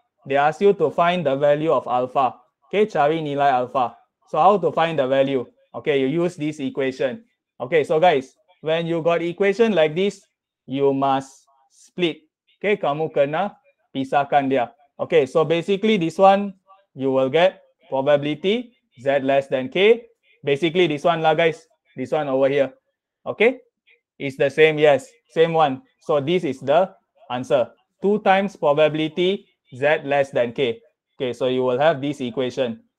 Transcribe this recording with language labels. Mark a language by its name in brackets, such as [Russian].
[English] They ask you to find the value of alpha. Okay, [Malay] cari nilai alpha. [English] So how to find the value? Okay, you use this equation. Okay, so guys, when you got equation like this, you must split. [Malay] Okay, kamu kena pisahkan dia. [English] Okay, so basically this one, you will get probability Z less than K. Basically this one lah guys, this one over here. Okay, it's the same, yes, same one. So this is the answer. 2 times probability Z less than K. Okay, so you will have this equation.